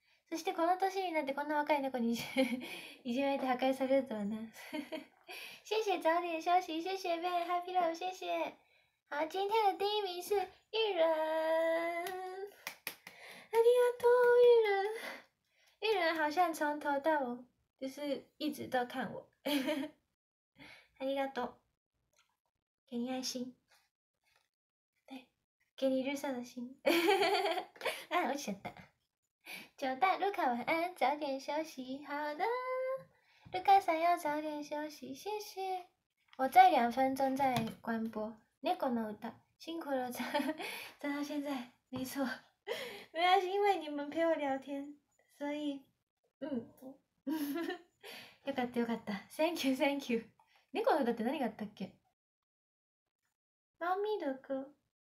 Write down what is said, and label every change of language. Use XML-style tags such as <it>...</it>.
<ja>そしてこの年になってこんな若い猫にいじめて破壊されるとはな。</ja> <zh>谢谢早点休息，谢谢 Ben Happy Love， 谢谢。好，今天的第一名是玉人。</zh> <ja>ありがとう玉人。</ja> <zh>玉人好像从头到尾就是一直都看我。</zh> <ja>ありがとう。</ja> <zh>给你爱心。对，给你绿色的心。啊，我选的。九代卢卡晚安，早点休息。好的，卢卡想要早点休息，谢谢。我在两分钟再关播。猫的歌，辛苦了，站到现在，没错，没关系，因为你们陪我聊天，所以，嗯，</zh> <ja>よかったよかった。</ja> <en>Thank you, thank you。</en> <ja>猫的歌って何があったっけ？</ja> <zh>猫咪的歌。</zh>